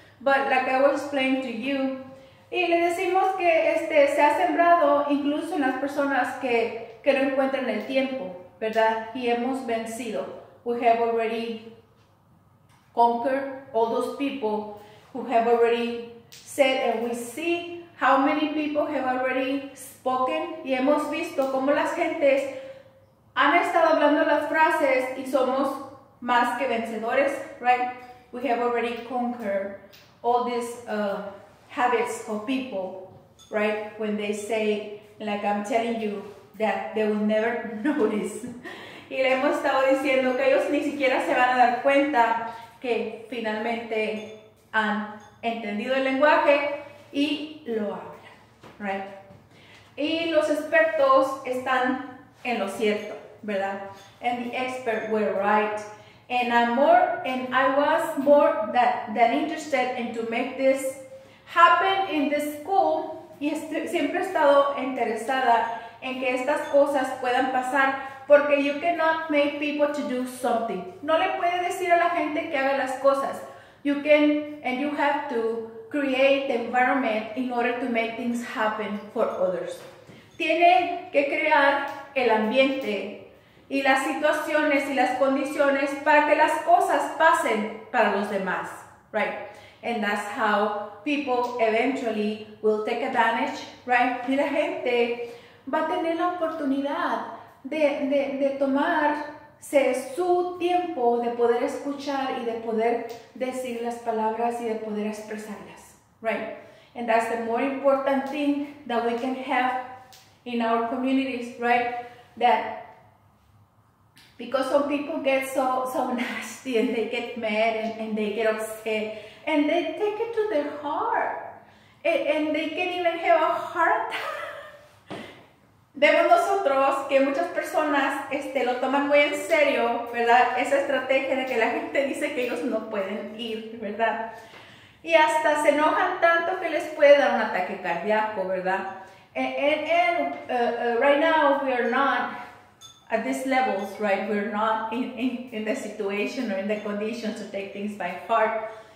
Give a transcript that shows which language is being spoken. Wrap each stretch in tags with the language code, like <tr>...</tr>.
<en>But like I was explaining to you,</en> <es>y le decimos que se ha sembrado incluso en las personas que no encuentran el tiempo, ¿verdad? Y hemos vencido.</es> <en>We have already conquered all those people who have already said, and we see how many people have already spoken.</en> <es>Y hemos visto cómo las gentes han estado hablando las frases y somos más que vencedores, right?</es> <en>We have already conquered all these habits of people, right? When they say, like I'm telling you, that they will never notice.</en> <es>Y le hemos estado diciendo que ellos ni siquiera se van a dar cuenta que finalmente han entendido el lenguaje y lo hablan, right? Y los expertos están en lo cierto, ¿verdad?</es> <en>And the expert were right. And I was more than interested in to make this happen in this school.</en> <es>Y siempre he estado interesada en que estas cosas puedan pasar, porque</es> <en>you cannot make people to do something.</en> <es>No le puede decir a la gente que haga las cosas.</es> <en>You can and you have to create the environment in order to make things happen for others.</en> <es>Tiene que crear el ambiente y las situaciones y las condiciones para que las cosas pasen para los demás, right?</es> <en>And that's how people eventually will take advantage, right?</en> <es>Y la gente va a tener la oportunidad de tomarse su tiempo de poder escuchar y de poder decir las palabras y de poder expresarlas, right?</es> <en>And that's the more important thing that we can have in our communities, right? That because some people get so nasty and they get mad and they get upset and they take it to their heart and they can even have a heart attack.</en> <es>Vemos nosotros que muchas personas lo toman muy en serio, ¿verdad? Esa estrategia de que la gente dice que ellos no pueden ir, ¿verdad? Y hasta se enojan tanto que les puede dar un ataque cardíaco, ¿verdad?</es> <en>And right now we are not at these levels, right? We're not in the situation or in the conditions to take things by heart.</en>